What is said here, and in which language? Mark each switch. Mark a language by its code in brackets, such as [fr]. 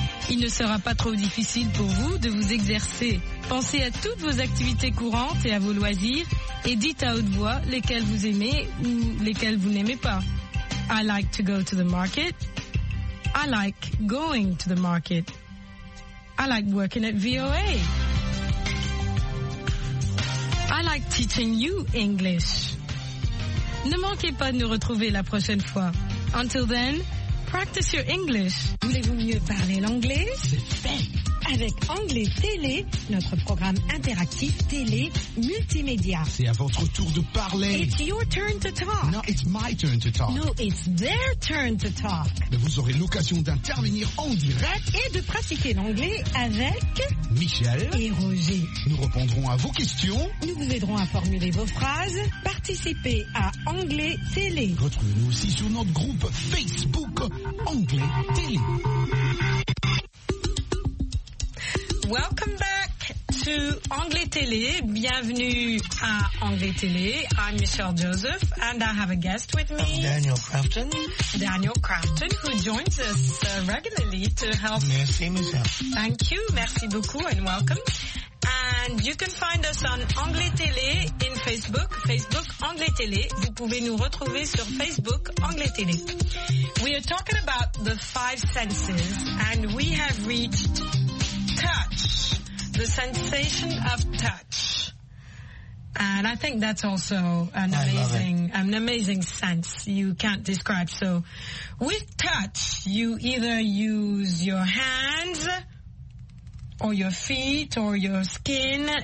[fr] Il ne sera pas trop difficile pour vous de vous exercer. Pensez à toutes vos activités courantes et à vos loisirs et dites à haute voix lesquelles vous aimez ou lesquelles vous n'aimez pas. [en] I like to go to the market. I like going to the market. I like working at VOA. I like teaching you English. [fr] Ne manquez pas de nous retrouver la prochaine fois. [en] Until then, practice your English. [fr] Voulez-vous mieux parler l'anglais? C'est fait. Avec Anglais Télé, notre programme interactif télé multimédia. C'est à votre tour de parler. [en] It's your turn to talk. No, it's my turn to talk. No, it's their turn to talk. [fr] Mais vous aurez l'occasion d'intervenir en direct et de pratiquer l'anglais avec Michel et Roger. Nous répondrons à vos questions. Nous vous aiderons à formuler vos phrases. Participez à Anglais Télé. Retrouvez-nous aussi sur notre groupe Facebook Anglais Télé. [en] Welcome back to Anglais Télé. [fr] Bienvenue à Anglais Télé. [en] I'm Michelle Joseph and I have a guest with me. Daniel Crafton. Daniel Crafton, who joins us regularly to help. [fr] Merci, Michelle. [en] Thank you. [fr] Merci beaucoup [en] and welcome. And you can find us on Anglais Télé in Facebook, Facebook Anglais Télé. [fr] Vous pouvez nous retrouver sur Facebook Anglais Télé. [en] We are talking about the five senses and we have reached touch, the sensation of touch. And I think that's also an amazing sense you can't describe. So with touch, you either use your hands or your feet or your skin.